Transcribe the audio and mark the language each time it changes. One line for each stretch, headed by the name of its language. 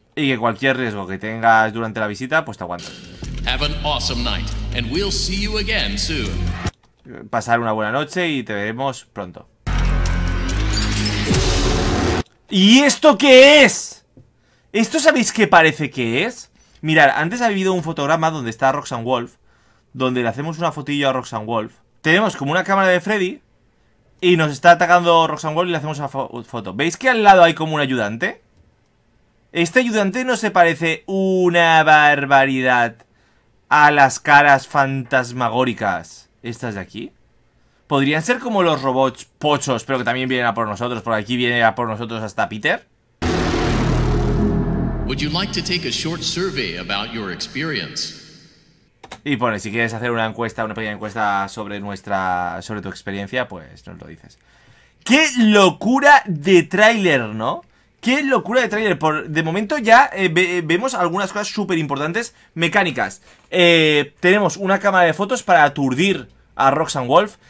Spanish: Y que cualquier riesgo que tengas durante la visita, pues te aguantas.
English: Have an awesome night, and we'll see you again soon.
Spanish: Pasar una buena noche y te veremos pronto. ¿Y esto qué es? ¿Esto sabéis qué parece que es? Mirad, antes ha habido un fotograma donde está Roxanne Wolf, donde le hacemos una fotillo a Roxanne Wolf. Tenemos como una cámara de Freddy y nos está atacando Roxanne Wolf y le hacemos una foto. ¿Veis que al lado hay como un ayudante? Este ayudante no se parece una barbaridad a las caras fantasmagóricas estas de aquí. Podrían ser como los robots pochos, pero que también vienen a por nosotros. Por aquí viene a por nosotros hasta Peter.
English: Would you like to take a short survey about your experience?
Spanish: Y pone, si quieres hacer una encuesta, una pequeña encuesta sobre nuestra, sobre tu experiencia, pues nos lo dices. ¡Qué locura de tráiler, ¿no? ¡Qué locura de tráiler! De momento ya vemos algunas cosas súper importantes mecánicas. Tenemos una cámara de fotos para aturdir a Roxanne Wolf.